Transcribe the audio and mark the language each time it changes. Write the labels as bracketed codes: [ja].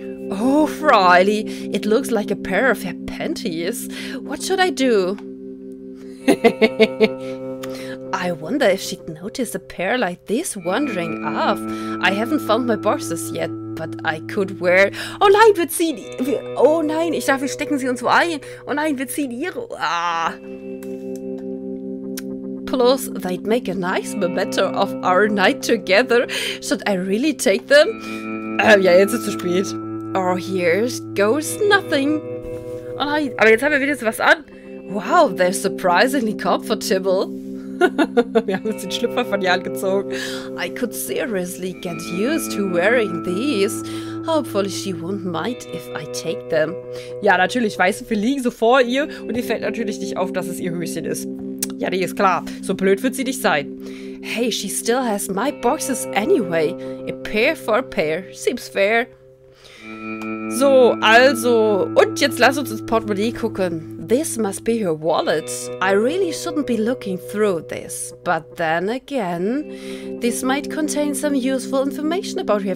[en] Oh, Riley, it looks like a pair of her panties. What should I do? I wonder if she'd notice a pair like this wandering off. I haven't found my boxes yet. But I could wear... [de] Oh nein, wir ziehen... Oh nein, ich dachte, wir stecken sie uns so ein. Oh nein, wir ziehen ihre... Ah. [en] Plus, they'd make a nice memento of our night together. Should I really take them? [de] Ja, jetzt ist es zu spät. [en] Oh, here goes nothing. [de] Oh nein, aber jetzt haben wir wieder sowas an. [en] Wow, they're surprisingly comfortable. [de] Wir haben uns den Schlüpfer von ihr angezogen. [en] I could seriously get used to wearing these. Hopefully she won't mind if I take them. [de] Ja, natürlich, weißt du, wir liegen so vor ihr und ihr fällt natürlich nicht auf, dass es ihr Höschen ist. Ja, die ist klar. So blöd wird sie nicht sein. [en] Hey, she still has my boxes anyway. A pair for a pair. Seems fair. [de] So, also, und jetzt lass uns ins Portemonnaie gucken. [en] This must be her wallet. I really shouldn't be looking through this. But then again, this might contain some useful information about her.